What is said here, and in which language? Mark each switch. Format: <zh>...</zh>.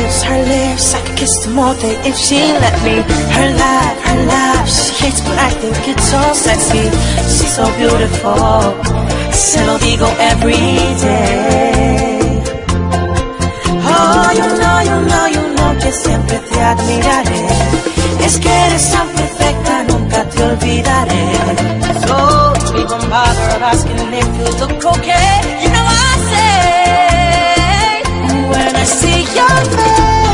<en>Her lips, I could kiss them all day if she let me. Her laugh, she hates but I think it's so sexy. She's so beautiful,</en> <es>se lo digo</es> <en>every day. Oh, you know,</en> <es>que siempre te admiraré. Es que eres tan perfecta, nunca te olvidaré.</es> <en>So, don't even bother asking if you look okay. You know I say, when I see your face,</en>